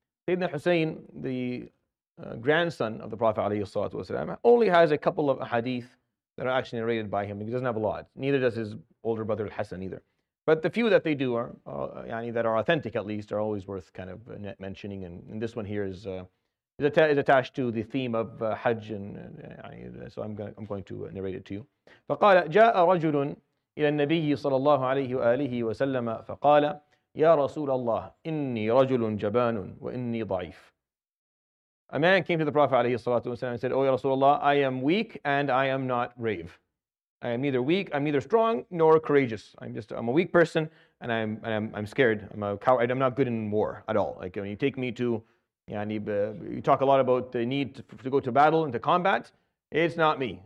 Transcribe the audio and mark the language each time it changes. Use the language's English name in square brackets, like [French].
[English] Sayyidina al-Husayn, the grandson of the Prophet alayhi salatu wasalam, only has a couple of hadith that are actually narrated by him. He doesn't have a lot, neither does his older brother al-Hasan either. But the few that they do are, that are authentic at least, are always worth kind of mentioning. And this one here is attached to the theme of Hajj, and so I'm going to narrate it to you. [Arabic] فقال جاء رجل إلى النبي صلى الله عليه وآله وسلم فقال يا رسول الله إني رجل جبان وإني ضعيف. [English] A man came to the Prophet [Arabic] عليه الصلاة والسلام [English] and said, "Oh, [Arabic] يا رسول الله, [English] I am weak and I am not brave. I am neither weak, I'm neither strong nor courageous. I'm a weak person and I'm scared. I'm a coward. I'm not good in war at all. Like when you take me to you talk a lot about the need to go to battle and to combat. It's not me.